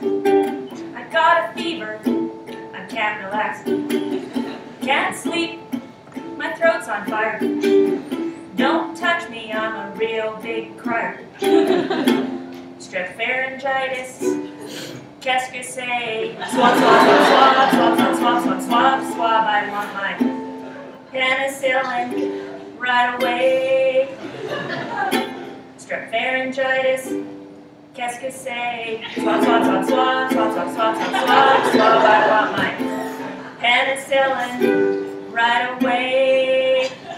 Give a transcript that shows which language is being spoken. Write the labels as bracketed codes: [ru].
[en] I got a fever, I can't relax. Can't sleep, my throat's on fire. Don't touch me, I'm a real big crier. [fr] Strep pharyngitis, qu'est-ce que c'est? [en] Swab, swab, swab, swab, swab, swab, swab, swab, swab, swab, I want my penicillin right away. [fr] Strep pharyngitis, qu'est-ce que c'est? [en] Swab, swab, swab, swab, swab, swab, swab, swab, swab, swab, I want my penicillin right away.